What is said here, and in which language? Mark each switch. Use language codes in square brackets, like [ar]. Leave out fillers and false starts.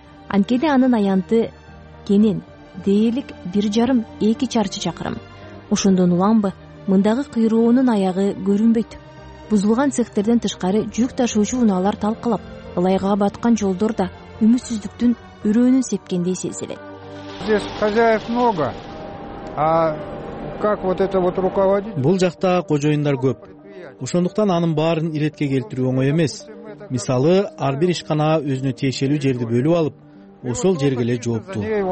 [ky] Анткени анын аянты кенен, дээрлик 1,5-2 чарчы чакырым. Ошондон уламбы мындагы кыйроонун аягы көрүнбөйт. Бузулган цехтерден тышкары жүк ташуучу унаалар талкалап, ылайга баткан жолдор да үмүтсүздүктүн үрөөнүн сепкендей сезилет. [ru] Здесь хозяев много. А как вот это вот руководить? [ky] Бул жакта кожоюндар көп. Ошондуктан анын баарын иретке келтирүү оңой эмес. Мисалы, ар бир ишкана өзүнө тиешелүү жерди бөлүп алып, ошол жерге эле жооптуу.